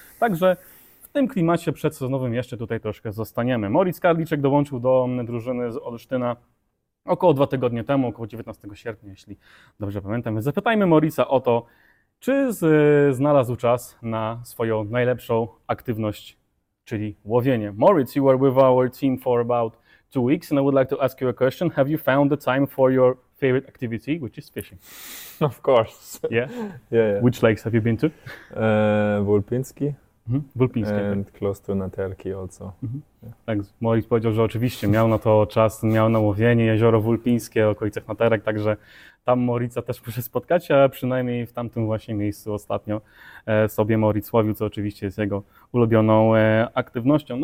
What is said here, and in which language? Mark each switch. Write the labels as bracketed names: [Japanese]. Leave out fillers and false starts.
[Polish] Także w tym klimacie przedsezonowym jeszcze tutaj troszkę zostaniemy. Moritz Karliczek dołączył do drużyny z Olsztyna około 2 tygodnie temu, około 19 sierpnia, jeśli dobrze pamiętam. Zapytajmy Morica o to, czy znalazł czas na swoją najlepszą aktywność, czyli łowienie? [English] Moritz, you were with our team for about 2 weeks, and I would like to ask you a question. Have you found the time for your favorite activity, which is fishing? Of course. Yeah? Yeah. Which lakes have you been to? Wulpiński. Wulpiński. And close to Natelki also. [Polish] Tak, Moritz powiedział, że oczywiście miał na to czas, miał na łowienie jezioro Wulpińskie, okolice Naterek, także tam Moritza też może spotkać, a przynajmniej w tamtym właśnie miejscu ostatnio sobie Moritz łowił, co oczywiście jest jego ulubioną aktywnością.